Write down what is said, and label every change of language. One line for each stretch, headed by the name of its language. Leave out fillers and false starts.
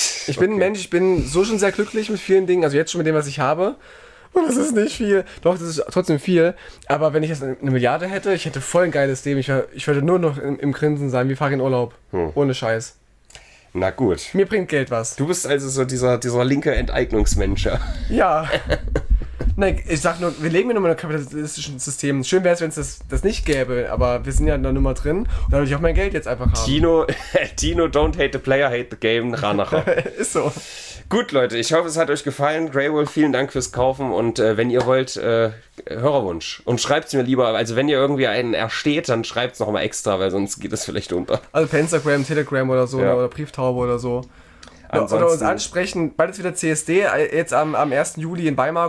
German: Ich bin okay. Ein Mensch, ich bin so schon sehr glücklich mit vielen Dingen, also jetzt schon mit dem, was ich habe, und das ist nicht viel, doch, das ist trotzdem viel, aber wenn ich jetzt eine Milliarde hätte, ich hätte voll ein geiles Leben, ich würde nur noch im Grinsen sein, wie fahre in Urlaub, ohne Scheiß. Na gut. Mir bringt Geld was. Du bist also so dieser linke Enteignungsmensch. Ja. Nein, ich sag nur, wir leben ja nur in einem kapitalistischen System. Schön wäre es, wenn es das nicht gäbe, aber wir sind ja in der Nummer drin und da würde ich auch mein Geld jetzt einfach haben.
English: Tino, don't hate the player, hate the game, Ranacher.
German: Ist so. Gut, Leute, ich hoffe, es hat euch gefallen. Greywolf, vielen Dank fürs Kaufen. Und wenn ihr wollt, Hörerwunsch. Und schreibt es mir lieber. Also wenn ihr irgendwie einen ersteht, dann schreibt es nochmal extra, weil sonst geht es vielleicht unter. Also per Instagram, Telegram oder so, ja. Oder Brieftaube oder so. Ansonsten. Oder uns ansprechen. Bald ist wieder CSD. Jetzt am 1. Juli in Weimar.